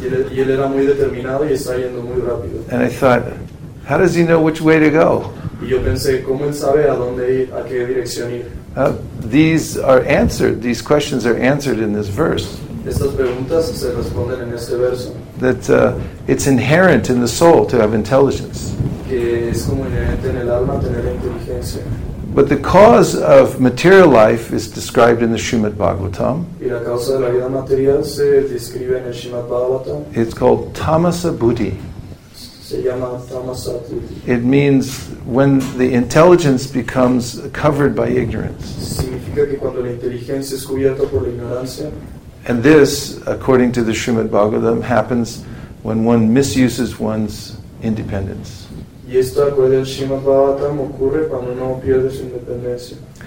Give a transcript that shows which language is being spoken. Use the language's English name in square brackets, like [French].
[Spanish] Y él era muy determinado y está yendo muy rápido. [English] And I thought, how does he know which way to go? [Spanish] Y yo pensé, ¿cómo él sabe a dónde ir, a qué dirección ir? [English] These are answered, these questions are answered in this verse. [Spanish] Estas preguntas se responden en este verso. [English] That it's inherent in the soul to have intelligence. [Spanish] Que es como inherente en el alma tener inteligencia. [English] But the cause of material life is described in the Srimad Bhagavatam. [Spanish] Y la causa de la vida material se describe en el Srimad Bhagavatam. [English] It's called tamasa buddhi. [Spanish] Se llama tamasa buddhi. [English] It means when the intelligence becomes covered by ignorance. [Spanish] Significa que cuando la inteligencia es cubierta por la ignorancia. [English] And this, according to the Srimad Bhagavatam, happens when one misuses one's independence. [Spanish] Y esto, acuerdo al Srimad Bhagavatam, ocurre cuando uno pierde su independencia.